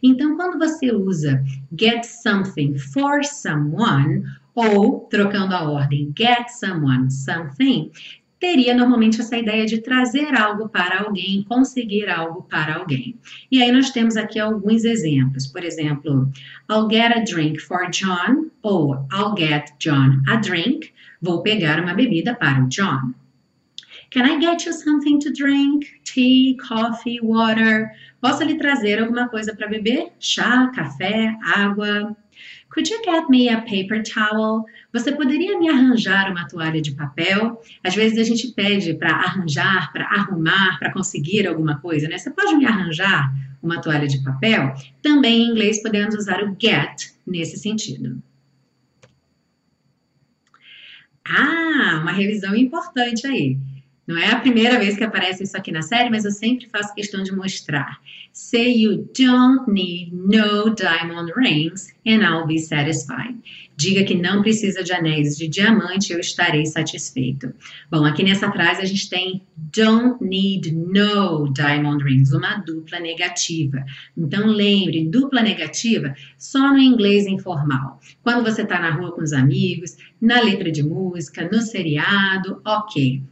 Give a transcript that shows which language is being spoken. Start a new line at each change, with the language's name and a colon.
Portuguese: Então, quando você usa
English: get something for someone,
Portuguese: ou trocando a ordem,
English: get someone something,
Portuguese: teria normalmente essa ideia de trazer algo para alguém, conseguir algo para alguém. E aí nós temos aqui alguns exemplos. Por exemplo,
English: I'll get a drink for John,
Portuguese: ou
English: I'll get John a drink,
Portuguese: vou pegar uma bebida para o John.
English: Can I get you something to drink? Tea, coffee, water.
Portuguese: Posso lhe trazer alguma coisa para beber? Chá, café, água.
English: Could you get me a paper towel?
Portuguese: Você poderia me arranjar uma toalha de papel? Às vezes a gente pede para arranjar, para arrumar, para conseguir alguma coisa, né? Você pode me arranjar uma toalha de papel? Também em inglês podemos usar o get nesse sentido. Ah, uma revisão importante aí. Não é a primeira vez que aparece isso aqui na série, mas eu sempre faço questão de mostrar.
English: Say you don't need no diamond rings and I'll be satisfied.
Portuguese: Diga que não precisa de anéis de diamante, eu estarei satisfeito. Bom, aqui nessa frase a gente tem
English: don't need no diamond rings,
Portuguese: uma dupla negativa. Então lembre, dupla negativa só no inglês informal. Quando você está na rua com os amigos, na letra de música, no seriado, ok.